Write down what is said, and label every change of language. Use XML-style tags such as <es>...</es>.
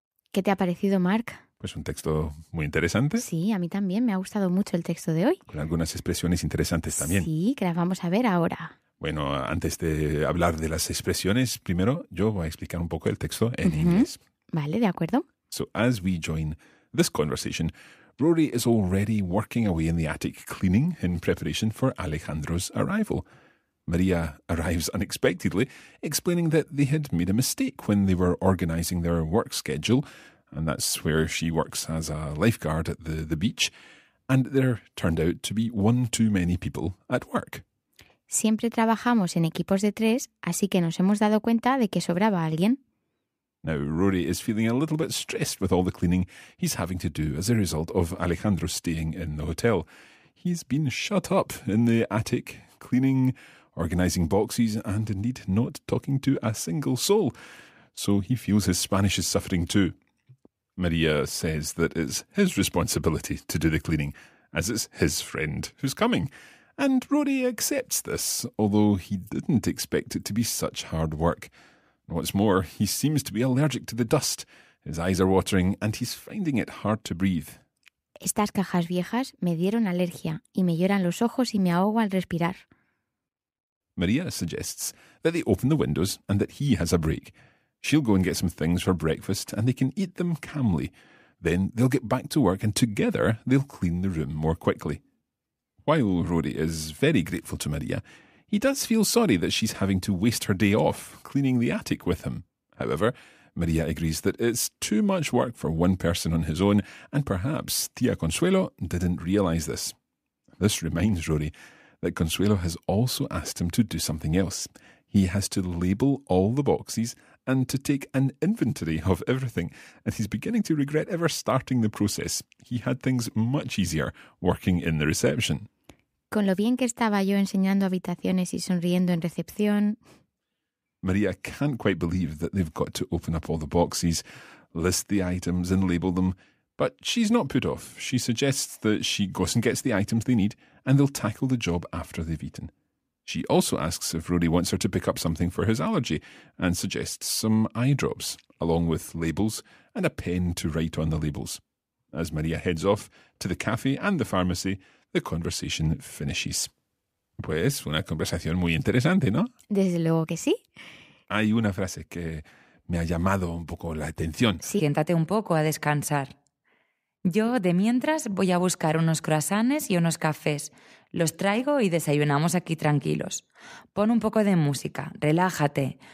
<es>¿Qué te ha parecido, Mark? Pues un texto muy interesante. Sí, a mí también me ha gustado mucho el texto de hoy. Con algunas expresiones interesantes también. Sí, que las vamos a ver ahora. Bueno, antes de hablar de las expresiones, primero yo voy a explicar un poco el texto en inglés. Vale, de acuerdo.</es> <en>So as we join this conversation, Rory is already working away in the attic cleaning in preparation for Alejandro's arrival. Maria arrives unexpectedly, explaining that they had made a mistake when they were organizing their work schedule, and that's where she works as a lifeguard at the beach, and there turned out to be one too many people at work.</en> <es>Siempre trabajamos en equipos de tres, así que nos hemos dado cuenta de que sobraba alguien.</es> <en>Now, Rory is feeling a little bit stressed with all the cleaning he's having to do as a result of Alejandro staying in the hotel. He's been shut up in the attic, cleaning, organizing boxes, and indeed not talking to a single soul. So he feels his Spanish is suffering too. Maria says that it's his responsibility to do the cleaning, as it's his friend who's coming. And Rory accepts this, although he didn't expect it to be such hard work. What's more, he seems to be allergic to the dust. His eyes are watering and he's finding it hard to breathe.</en> <es>Estas cajas viejas me dieron alergia y me lloran los ojos y me ahogo al respirar.</es> <en>Maria suggests that they open the windows and that he has a break. She'll go and get some things for breakfast and they can eat them calmly. Then they'll get back to work and together they'll clean the room more quickly. While Rory is very grateful to Maria, he does feel sorry that she's having to waste her day off cleaning the attic with him. However, Maria agrees that it's too much work for one person on his own, and perhaps Tia Consuelo didn't realise this. This reminds Rory that Consuelo has also asked him to do something else. He has to label all the boxes and to take an inventory of everything, and he's beginning to regret ever starting the process. He had things much easier working in the reception.</en> <es>Con lo bien que estaba yo enseñando habitaciones y sonriendo en recepción.</es> <en>Maria can't quite believe that they've got to open up all the boxes, list the items and label them. But she's not put off. She suggests that she goes and gets the items they need and they'll tackle the job after they've eaten. She also asks if Rory wants her to pick up something for his allergy and suggests some eye drops, along with labels and a pen to write on the labels. As Maria heads off to the cafe and the pharmacy, the conversation finishes.</en> <es>Pues, una conversación muy interesante, ¿no? Desde luego que sí. Hay una frase que me ha llamado un poco la atención. Siéntate un poco a descansar. Yo, de mientras, voy a buscar unos croissants y unos cafés. Los traigo y desayunamos aquí tranquilos. Pon un poco de música, relájate.</es>